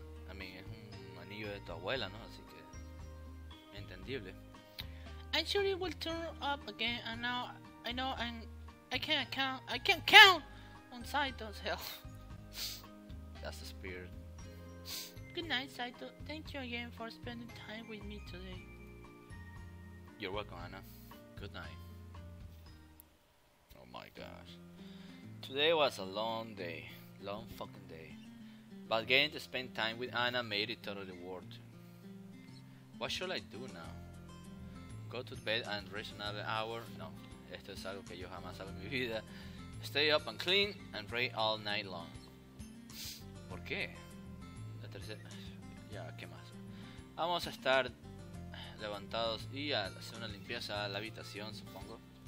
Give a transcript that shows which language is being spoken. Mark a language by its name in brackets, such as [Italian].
[English] I mean, [Spanish] es un anillo de tu abuela, ¿no? Así que... Entendible. [English] I'm sure it will turn up again, and now I know I can't count on Saito's help. That's the spirit. Good night, Saito. Thank you again for spending time with me today. You're welcome, Ana. Good night. Oh my gosh. Today was a long day. Long fucking day. But getting to spend time with Ana made it totally worth it. What should I do now? Go to bed and rest another hour? No. [Spanish] Esto es algo que yo jamás hago en mi vida. [English] Stay up and clean and pray all night long. [Spanish] ¿Por qué? La tercera... Ya, ¿qué más? Vamos a estar levantados y a hacer una limpieza a la habitación, supongo.